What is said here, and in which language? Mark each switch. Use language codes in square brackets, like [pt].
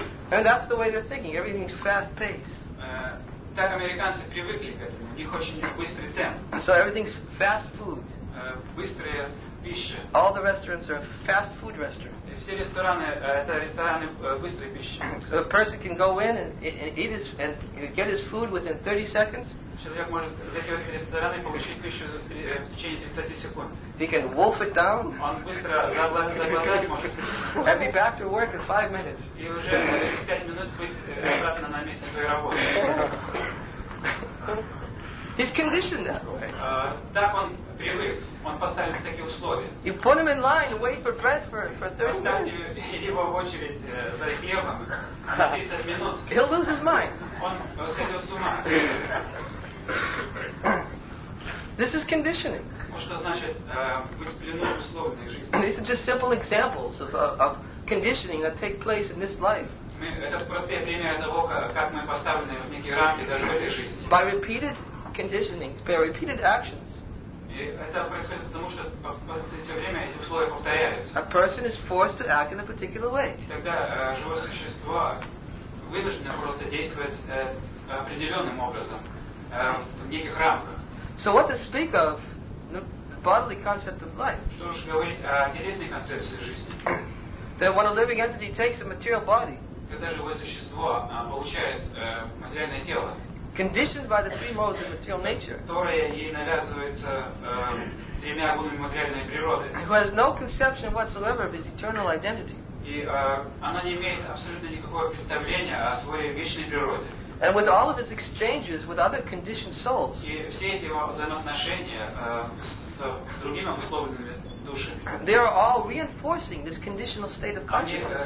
[en] And that's the way they're thinking. Everything's fast paced. [ru] Так американцы привыкли к этому. У них очень быстрый темп. [en] So everything's fast food. [ru] Быстрая пища. [en] All the restaurants are fast food restaurants. [ru] Все рестораны это рестораны быстрой пищи. [en] So a person can go in and eat his and get his food within 30 seconds. [ru] Человек может зайти в ресторан и получить пищу в течение 30 секунд. [en] He can wolf it down. [ru] Он быстро заглотать может. [en] And be back to work in 5 minutes. [ru] И уже через 5 минут быть обратно на месте своей работы. [en] He's conditioned that way. [ru] Так он привык. Он поставил такие условия. [en] You put him in line, wait for bread for 30 minutes. [ru] Иди его в очередь за хлебом на 30 минут. [en] He'll lose his mind. [ru] Он сойдет с ума. [en] This is conditioning. [ru] Что значит быть в плену условной жизни? [en] These are just simple examples of conditioning that take place in this life. [ru] Это простые примеры того, как мы поставлены в некие рамки даже в этой жизни. [en] By repeated conditioning, by repeated actions. [ru] Это происходит потому, что все время эти условия повторяются. [en] A person is forced to act in a particular way. [ru] И тогда живое существо вынуждено просто действовать определенным образом в неких рамках. [en] So what to speak of the bodily concept of life? [ru] Что уж говорить о телесной концепции жизни? [en] That when a living entity takes a material body, [ru] когда живое существо получает материальное тело, [en] conditioned by the three modes of material nature, [ru] которое ей навязывается тремя гунами материальной природы, [en] who has no conception whatsoever of his eternal identity, [ru] и она не имеет абсолютно никакого представления о своей вечной природе. [en] And with all of its exchanges with other conditioned souls. [ru] И все эти его взаимоотношения с другими условленными душами. [en] They are all reinforcing this conditional state of consciousness.